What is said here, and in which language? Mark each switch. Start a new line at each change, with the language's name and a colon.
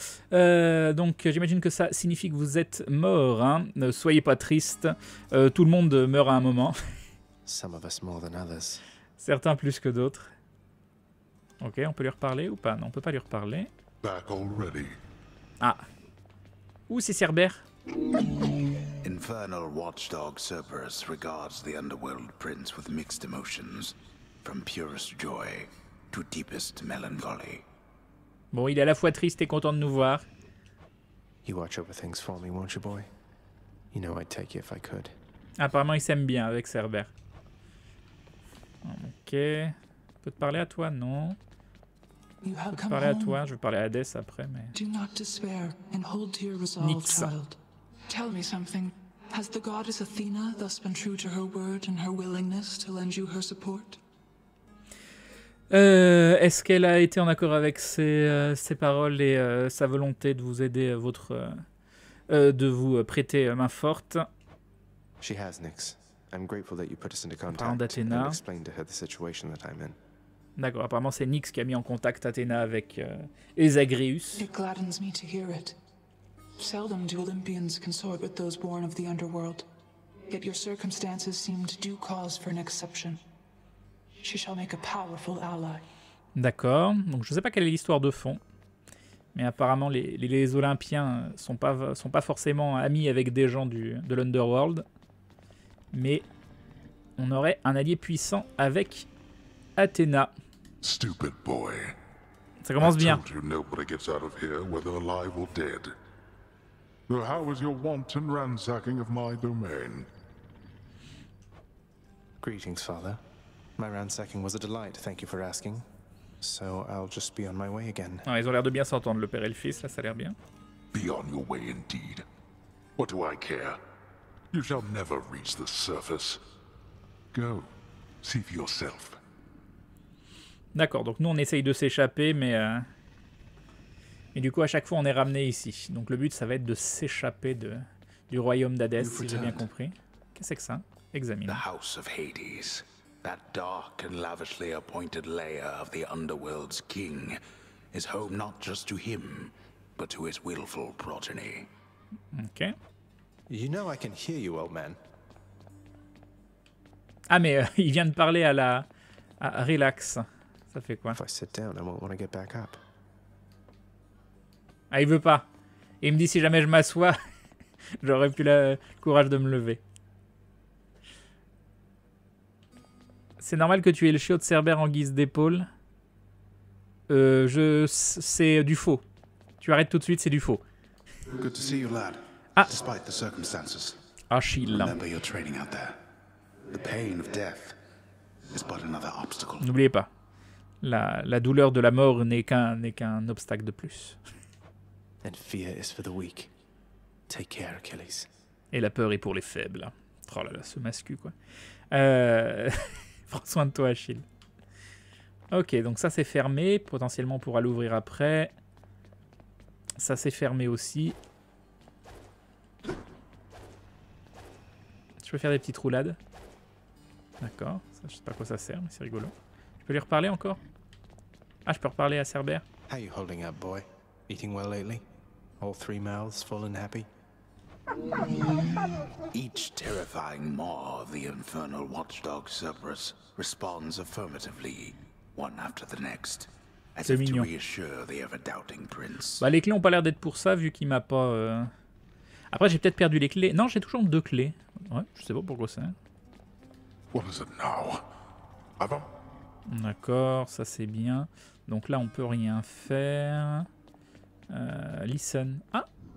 French: Donc, j'imagine que ça signifie que vous êtes mort, hein. Ne soyez pas triste. Tout le monde meurt à un moment.
English: Some of us more than others.
French: Certains plus que d'autres. Ok, on peut lui reparler ou pas? Non, on peut pas lui reparler.
English: Back already.
French: Ah. Où c'est Cerber?
English: Infernal watchdog Cerberus regards the underworld prince with mixed emotions, from purest joy to deepest melancholy.
French: Bon, il est à la fois triste et content de nous voir.
English: You watch over things for me, won't you, boy? You know I'd take you if I could.
French: Apparemment, il s'aime bien avec Cerber. Ok. Je peux te parler à toi? Non.
English: You have come
French: parler
English: home.
French: À toi, je vais parler à Hades après, mais...
English: Do not despair and hold to your resolve, Nyx. Child. Tell me something. Has the goddess Athena thus been true to her word and her willingness to lend you her support? Est-ce qu'elle a été en accord avec ses paroles et sa volonté de vous aider, de vous prêter main forte? She has, Nyx. I'm grateful that you put us into contact.
French: Parlant d'Athéna.
English: And explain to her the situation that I'm in.
French: D'accord, apparemment c'est Nyx qui a mis en contact Athéna avec Esagrius.
English: It gladdens me to hear it. Seldom do Olympians consort with those born of the underworld. Yet your circumstances seem to do cause for an exception. She shall make a powerful ally.
French: D'accord, donc je sais pas quelle est l'histoire de fond. Mais apparemment les Olympiens sont pas forcément amis avec des gens de l'underworld. Mais on aurait un allié puissant avec Athéna.
English: Stupid boy.
French: Ça commence bien.
English: I told you nobody gets out of here, whether alive or dead. So how is your wanton ransacking of my domain? Greetings, father. My ransacking was a delight, thank you for asking. So I'll just be on my way again.
French: Ah, ils ont l'air de bien s'entendre, le père et le fils, là, ça a l'air bien.
English: Be on your way indeed. What do I care? You shall never reach the surface. Go, see for yourself.
French: D'accord, donc nous on essaye de s'échapper, mais et du coup à chaque fois on est ramené ici. Donc le but ça va être de s'échapper du royaume d'Hadès, si j'ai bien compris. Qu'est-ce que c'est que ça? Examine.
English: The House of Hades, that dark and lavishly appointed lair of the underworld's king, is home not just to him, but to his willful progeny.
French: Ok.
English: You know I can hear you, old man.
French: Ah mais il vient de parler à la à relax. Ça fait quoi?
English: If I sit down, I won't want to get back up.
French: Ah, il veut pas. Il me dit si jamais je m'assois, j'aurais plus le courage de me lever. C'est normal que tu aies le chiot de Cerbère en guise d'épaule. C'est du faux. Tu arrêtes tout de suite, c'est du faux.
English: Good to see you, lad.
French: Ah.
English: Despite the circumstances.
French: Achille.
English: Remember your training out there. The pain of death is but another obstacle.
French: N'oubliez pas. La douleur de la mort n'est qu'un obstacle de plus.
English: And fear is for the weak. Take care, Achilles.
French: Et la peur est pour les faibles. Oh là là, ce masque quoi. Prends soin de toi, Achille. Ok, donc ça c'est fermé. Potentiellement, on pourra l'ouvrir après. Ça c'est fermé aussi. Je peux faire des petites roulades. D'accord. Ça, je sais pas à quoi ça sert, mais c'est rigolo. Je peux lui reparler encore? Ah, je peux reparler à Cerber.
English: How you holding up, boy? Eating well lately? All three mouths full and happy? Each terrifying maw of the infernal watchdog Cerberus responds affirmatively, one after the next, as if to reassure the ever-doubting prince.
French: Bah, les clés ont pas l'air d'être pour ça, vu qu'il m'a pas. Après, j'ai peut-être perdu les clés. Non, j'ai toujours deux clés. Ouais, je sais pas pourquoi ça.
English: What is it now?
French: Avant. D'accord, ça c'est bien. Donc là, on peut rien faire.
English: Listen.
French: Ah.